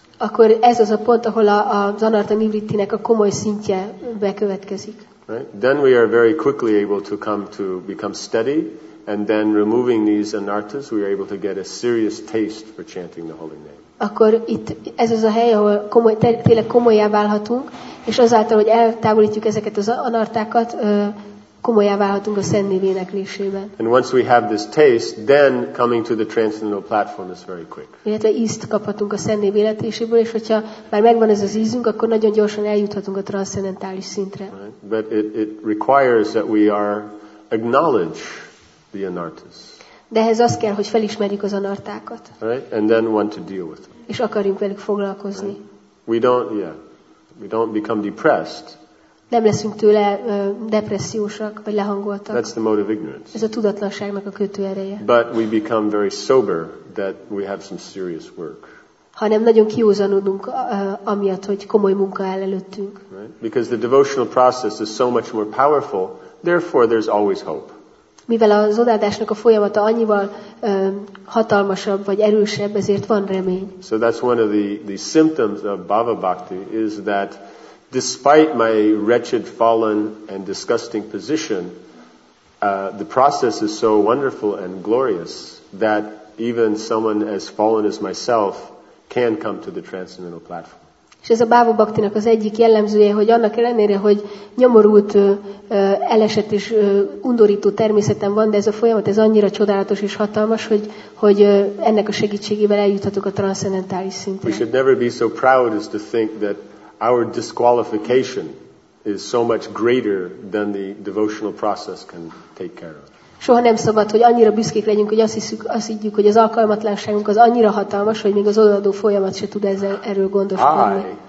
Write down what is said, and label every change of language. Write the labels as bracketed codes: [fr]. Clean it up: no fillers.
[hu] Akkor ez az a pont, ahol az anartha nivrittinek a komoly szintje bekövetkezik. [en] Right? Then we are very quickly able to come to become steady. And then removing these anarthas, we are able to get a serious taste for chanting the holy name. [hu] Akkor itt ez az a hely, ahol tényleg komolyá válhatunk, és azáltal, hogy eltávolítjuk ezeket az anarthákat, komolyá válhatunk a szent név éneklésében. [en] And once we have this taste, then coming to the transcendental platform is very quick. [hu] Illetve ízt kaphatunk a szent név életéséből, és hogyha már megvan ez az ízünk, akkor nagyon gyorsan eljuthatunk a transzcendentális szintre. [en] Right? But it requires that we are acknowledge the anarthas. [hu] De ehhez az kell, hogy felismerjük az anarthákat. [en] Right? And then want to deal with them. [hu] És akarjunk velük foglalkozni. [en] Right? We don't become depressed. [hu] Nem leszünk tőle depressziósak vagy lehangoltak. [en] That's the mode of ignorance. [hu] Ez a tudatlanságnak a kötőereje. [en] But we become very sober that we have some serious work. [hu] Hanem nagyon kiózanodunk amiatt, hogy komoly munka áll előttünk. [en] Right? Because the devotional process is so much more powerful, therefore there's always hope. [hu] Mivel az odaadásnak a folyamata annyival hatalmasabb vagy erősebb, ezért van remény. [en] So that's one of the symptoms of bhava bhakti is that despite my wretched, fallen and disgusting position, the process is so wonderful and glorious that even someone as fallen as myself can come to the transcendental platform. [hu] És ez a Bhava Bhaktinak az egyik jellemzője, hogy annak ellenére, hogy nyomorult, elesett és undorító természetem van, de ez a folyamat, ez annyira csodálatos és hatalmas, hogy ennek a segítségével eljuthatok a transzcendentális szintre. [en] We should never be so proud as to think that our disqualification is so much greater than the devotional process can take care of. [hu] Soha nem szabad, hogy annyira büszkék legyünk, hogy azt higgyük, hogy az alkalmatlanságunk az annyira hatalmas, hogy még az odaadó folyamat se tud ezzel erről gondoskodni.